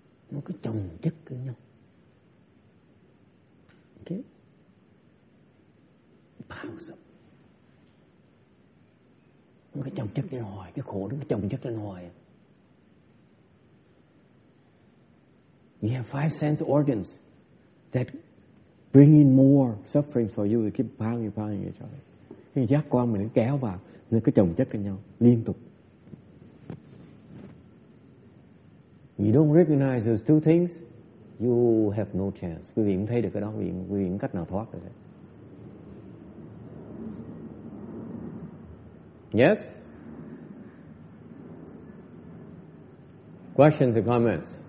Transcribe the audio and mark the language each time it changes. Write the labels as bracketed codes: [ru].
[vi] Nó cứ chồng chất với nhau. [en] Ok. Piles up. [vi] Nó cứ chồng chất lên hoài. Cái khổ nó cứ chồng chất lên hoài. [en] We have five sense organs that bring in more suffering for you. They keep piling each other. [vi] Cái giác quan mình nó kéo vào, nó cứ chồng chất lên nhau liên tục. [en] You don't recognize those two things, you have no chance. [vi] Quý vị cũng thấy được cái đó, quý vị cũng cách nào thoát được đấy. [en] Yes? Questions or comments?